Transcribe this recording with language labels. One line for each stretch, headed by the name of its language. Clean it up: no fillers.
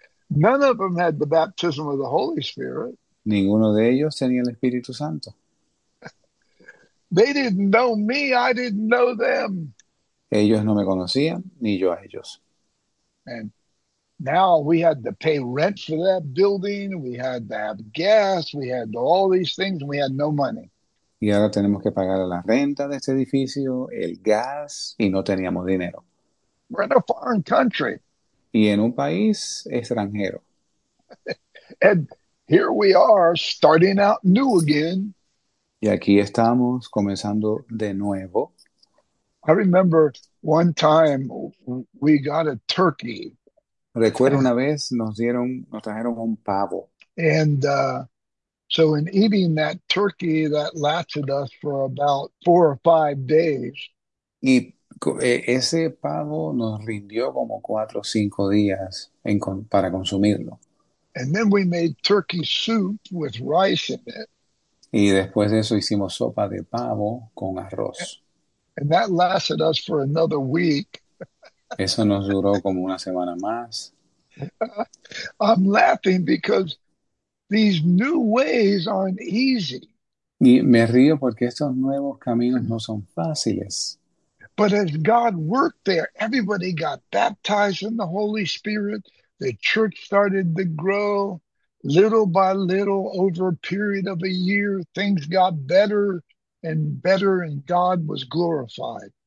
English: None of them had the baptism of the Holy Spirit.
Spanish: Ninguno de ellos tenía el Espíritu Santo.
English: They didn't know me, I didn't know them.
Spanish: Ellos no me conocían, ni yo a ellos.
English: And now we had to pay rent for that building, we had to have gas, we had all these things, and we had no money.
Spanish: Y ahora tenemos que pagar la renta de este edificio, el gas, y no teníamos dinero.
English: We're in a foreign country.
Spanish: Y en un país extranjero.
English: And here we are starting out new again.
Spanish: Y aquí estamos comenzando de nuevo.
English: I remember one time we got a turkey
Spanish: Recuerdo una vez nos trajeron un pavo.
English: and so in eating that turkey that lasted us for about 4 or 5 days.
Spanish: Y ese pavo nos rindió como 4 o 5 días para consumirlo.
English: And then we made turkey soup with rice in it.
Spanish: Y después de eso hicimos sopa de pavo con arroz.
English: That lasted us for another week.
Spanish: Eso nos duró como una semana más.
English: I'm laughing because these new ways aren't easy.
Spanish: Y me río porque estos nuevos caminos no son fáciles.
English: But as God worked there, everybody got baptized in the Holy Spirit. The church started to grow little by little over a period of a year. Things got better and better, and God was glorified.